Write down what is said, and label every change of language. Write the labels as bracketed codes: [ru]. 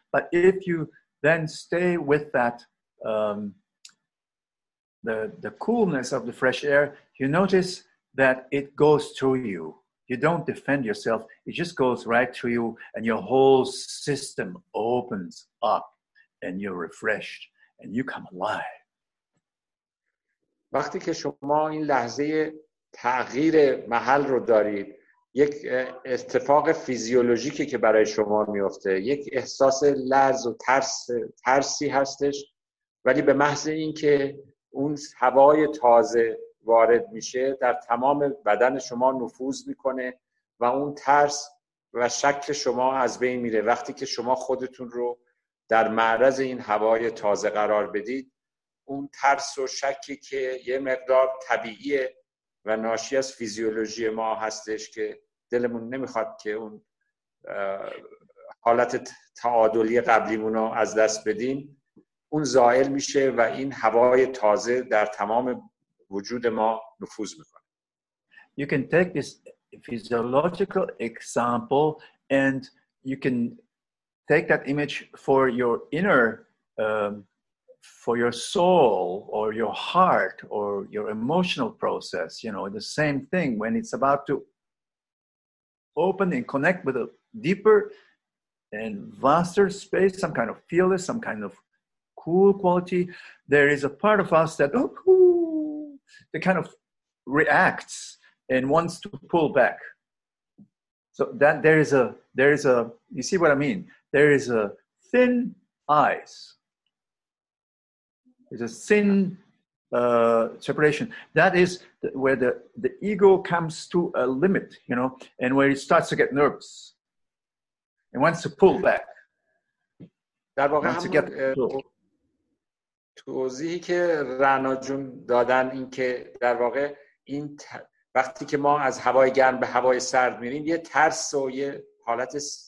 [en] But if you then stay with that, the coolness of the fresh air, you notice that it goes through you. You don't defend yourself. It just goes right through you and your whole system opens up and you're refreshed and you come alive. [fa] وقتی که شما این لحظه تغییر محل رو دارید یک اتفاق فیزیولوژیکی که برای شما میفته یک احساس لرز و ترسی هستش ولی به محض اینکه اون هوای تازه وارد میشه در تمام بدن شما نفوذ میکنه و اون ترس و شک شما از بین میره وقتی که شما خودتون رو در معرض این هوای تازه قرار بدید اون ترس و شکی که یه مقدار طبیعیه و ناشی از فیزیولوژی ما هستش که دلمون نمیخواد که اون حالت تعادلی قبلیمونو از دست بدیم اون زائل میشه و این هوای تازه در تمام وجود ما نفوذ میکنه [en] You can take this physiological example and you can take that image for your inner for your soul or your heart or your emotional process, you know, the same thing when it's about to open and connect with a deeper and vaster space, some kind of feeling, some kind of cool quality, there is a part of us that, oh, that kind of reacts and wants to pull back. So that there is a, you see what I mean? There is a thin ice. It's a thin separation. That is where the ego comes to a limit, you know, and where it starts to get nervous. It wants to pull back. [fa] در واقع همون توضیحی که رانا جون دادن این که در واقع این وقتی که ما از هوای گرم به هوای سرد میریم یه ترس و یه حالت